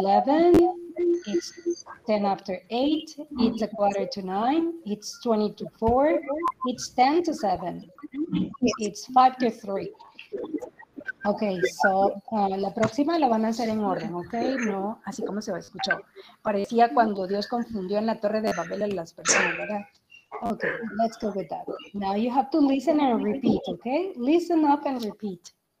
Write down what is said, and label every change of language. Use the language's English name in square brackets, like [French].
[English] It's 10 after 8, it's a quarter to 9, it's 20 to 4, it's 10 to 7, it's 5 to 3. [Spanish] Ok, so la próxima la van a hacer en orden, ok, no, así como se escuchó. Parecía cuando Dios confundió en la Torre de Babel a las personas, ¿verdad? [English] Ok, let's go with that. Now you have to listen and repeat, ok, listen up and repeat.